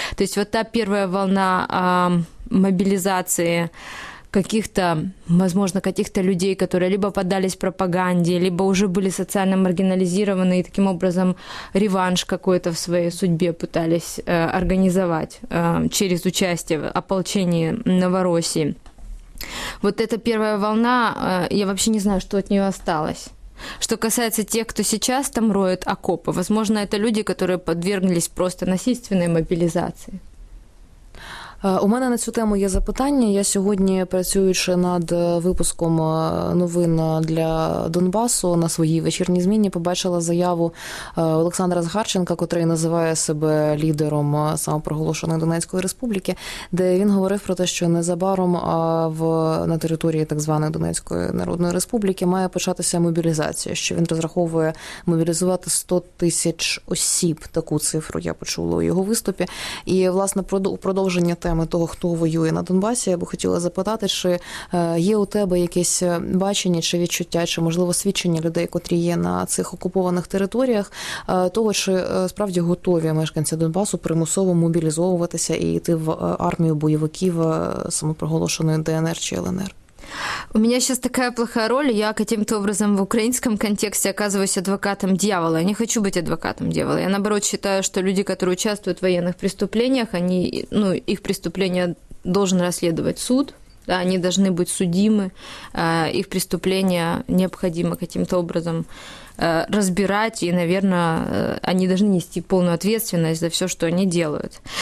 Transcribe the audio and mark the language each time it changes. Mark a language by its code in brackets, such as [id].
[ru] То есть вот та первая волна мобилизации каких-то, возможно, каких-то людей, которые либо поддались пропаганде, либо уже были социально маргинализированы и таким образом реванш какой-то в своей судьбе пытались организовать через участие в ополчении Новороссии. Вот эта первая волна, я вообще не знаю, что от нее осталось. Что касается тех, кто сейчас там роет окопы, возможно, это люди, которые подверглись просто насильственной мобилизации. [uk] У мене на цю тему є запитання. Я сьогодні, працюючи над випуском новин для Донбасу на своїй вечірній зміні, побачила заяву Олександра Згарченка, котрий називає себе лідером самопроголошеної Донецької Республіки, де він говорив про те, що незабаром на території так званої Донецької Народної Республіки має початися мобілізація, що він розраховує мобілізувати 100 тисяч осіб. Таку цифру я почула у його виступі. І, власне, у продовження те, того, хто воює на Донбасі, я би хотіла запитати, чи є у тебе якесь бачення чи відчуття, чи, можливо, свідчення людей, котрі є на цих окупованих територіях, того, чи справді готові мешканці Донбасу примусово мобілізовуватися і йти в армію бойовиків самопроголошеної ДНР чи ЛНР? [ru] У меня сейчас такая плохая роль, я каким-то образом в украинском контексте оказываюсь адвокатом дьявола. Я не хочу быть адвокатом дьявола. Я, наоборот, считаю, что люди, которые участвуют в военных преступлениях, они, ну, их преступления должен расследовать суд, да, они должны быть судимы, их преступления необходимо каким-то образом разбирать, и, наверное, они должны нести полную ответственность за все, что они делают.